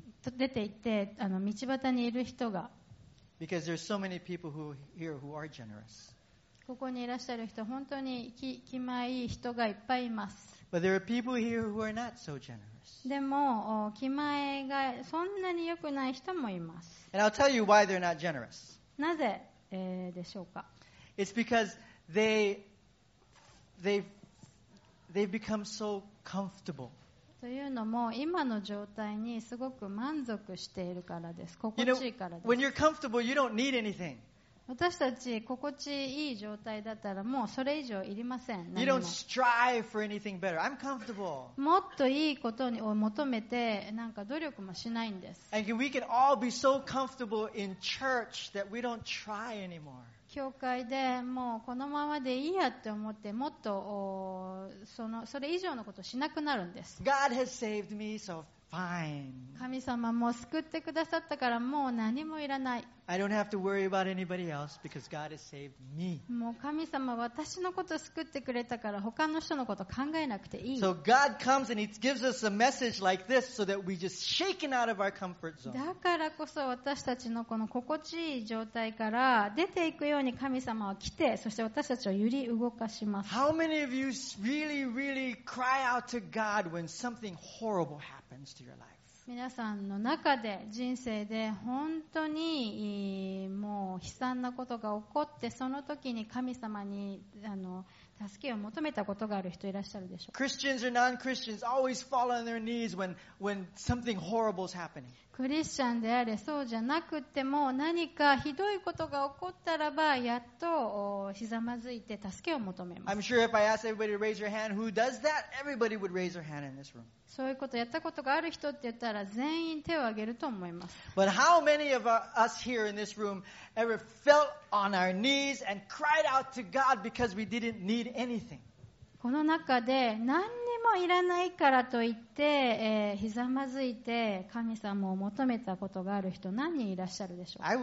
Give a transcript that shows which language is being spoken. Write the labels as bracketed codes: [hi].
[ja] 出て行って道端にいる人が。 [en] Because there's so many people who here who are generous. [ja] ここにいらっしゃる人本当に気前いい人がいっぱいいます。 [en] But there are people here who are not so generous. [ja] でも気前がそんなに良くない人もいます。 [en] And I'll tell you why they're not generous. [ja] なぜでしょうか。 [en] It's because they've become so comfortable. [ja] というのも今の状態にすごく満足しているからです。心地いいからです。 [en] You know, when you're comfortable, you don't need anything. [ja] 私たち心地いい状態だったらもうそれ以上いりません。 [en] You don't strive for anything better. I'm comfortable. [ja] もっといいことを求めてなんか努力もしないんです。 [en] And we can all be so comfortable in church that we don't try anymore. [ja] 教会でもうこのままでいいやって思ってもっとそれ以上のことをしなくなるんです。 [en] God has saved me, so fine. [ja] 神様も救ってくださったからもう何もいらない。 [en] I don't have to worry about anybody else because God has saved me. [ja] もう神様は私のことを救ってくれたから他の人のこと考えなくていい。 [en] So God comes and He gives us a message like this so that we just shaken out of our comfort zone. [ja] だからこそ私たちのこの心地いい状態から出ていくように神様は来て、そして私たちを揺り動かします。 [en] How many of you really, really cry out to God when something horrible happens to your life? [ja] 皆さんの中で人生で本当にもう悲惨なことが起こってその時に神様に助けを求めたことがある人いらっしゃるでしょうか。 [en] Christians or non-Christians always fall on their knees when something horrible is happening. [ja] クリスチャンであれそうじゃなくても何かひどいことが起こったらばやっとひざまずいて助けを求めます。 [en] I'm sure if I ask everybody to raise your hand who does that, everybody would raise their hand in this room. [ja] そういうことやったことがある人って言ったら全員手を挙げると思います。 [en] But how many of us here in this room ever fell on our knees and cried out to God because we didn't need anything? [ja] この中で何にもいらないからといって、ひざまずいて神様を求めたことがある人何人いらっしゃるでしょうか。